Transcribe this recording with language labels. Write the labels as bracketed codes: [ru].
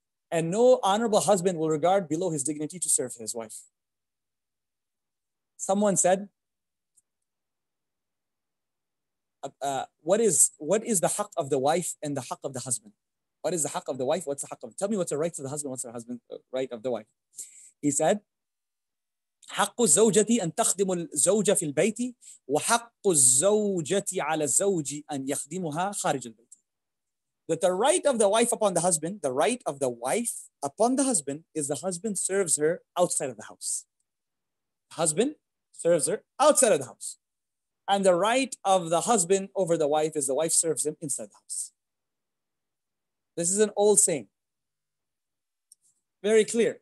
[en] And no honorable husband will regard below his dignity to serve his wife. Someone said, what is the haq of the wife and the haq of the husband? What is the haq of the wife? What's the haq of? Tell me what's the rights of the husband? What's the husband right of the wife? He said, [ar] حق الزوجة أن تخدم الزوج في البيت وحق الزوجة على الزوج أن يخدمها خارج البيت. [en] That the right of the wife upon the husband, the right of the wife upon the husband is the husband serves her outside of the house. Husband serves her outside of the house. And the right of the husband over the wife is the wife serves him inside the house. This is an old saying. Very clear.